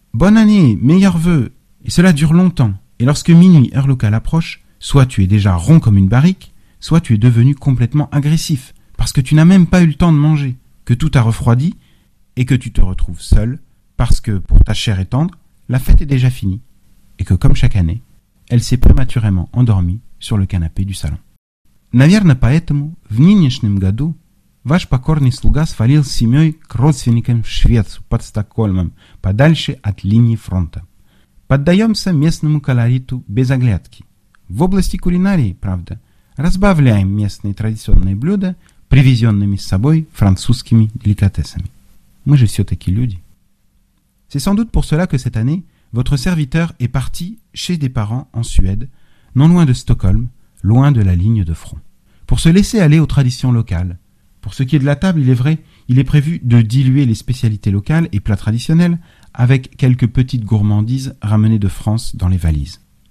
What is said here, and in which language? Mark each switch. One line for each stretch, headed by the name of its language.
French: Bonne année, meilleurs vœux. Et cela dure longtemps. Et lorsque minuit heure locale approche, soit tu es déjà rond comme une barrique, soit tu es devenu complètement agressif parce que tu n'as même pas eu le temps de manger, que tout a refroidi et que tu te retrouves seul parce que pour ta chair et tendre, la fête est déjà finie et que comme chaque année, elle s'est prématurément endormie sur le canapé du salon.
Russian: Наверное, поэтому в нынешнем году ваш покорный слуга свалил с семьей к родственникам в Швецию под Стокгольмом, подальше от линии фронта. Поддаемся местному колориту без оглядки. В области кулинарии, правда, разбавляем местные традиционные блюда привезенными с собой французскими деликатесами. Мы же все-таки люди.
French: C'est sans doute pour cela que cette année, votre serviteur est parti chez des parents en Suède, non loin de Stockholm, loin de la ligne de front. Pour se laisser aller aux traditions locales. Pour ce qui est de la table, il est vrai, il est prévu de diluer les spécialités locales et plats traditionnels avec quelques petites gourmandises ramenées de France dans les valises.